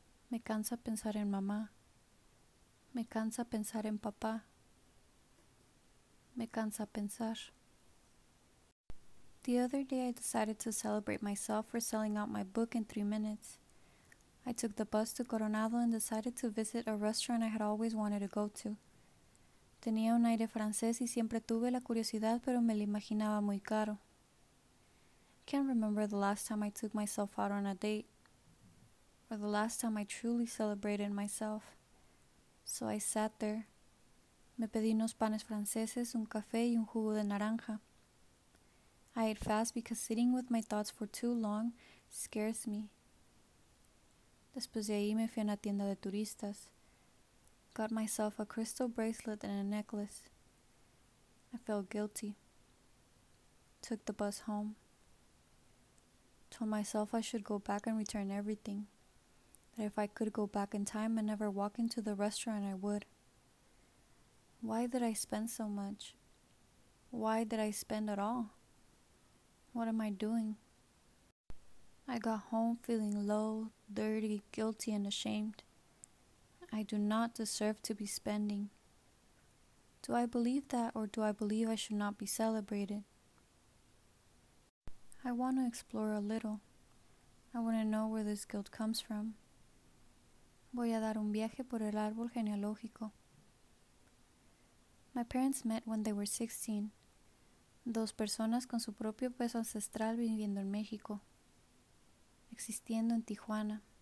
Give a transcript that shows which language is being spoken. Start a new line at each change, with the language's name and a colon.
Spanish: Me cansa pensar en mamá. Me cansa pensar en papá. Me cansa pensar.
English: The other day I decided to celebrate myself for selling out my book in 3 minutes. I took the bus to Coronado and decided to visit a restaurant I had always wanted to go to.
Spanish: Tenía un aire francés y siempre tuve la curiosidad, pero me lo imaginaba muy caro.
English: Can't remember the last time I took myself out on a date, or the last time I truly celebrated myself.
Spanish: So I sat there. Me pedí unos panes franceses, un café y un jugo de naranja.
English: I ate fast because sitting with my thoughts for too long scares me.
Spanish: Después de ahí me fui a una tienda de turistas.
English: Got myself a crystal bracelet and a necklace. I felt guilty. Took the bus home. Told myself I should go back and return everything. That if I could go back in time and never walk into the restaurant, I would. Why did I spend so much? Why did I spend at all? What am I doing? I got home feeling low, dirty, guilty, and ashamed. I do not deserve to be spending. Do I believe that, or do I believe I should not be celebrated? I want to explore a little. I want to know where this guilt comes from.
Spanish: Voy a dar un viaje por el árbol genealógico. My parents met when they were 16. Dos personas con su propio peso ancestral viviendo en México. Existiendo en Tijuana.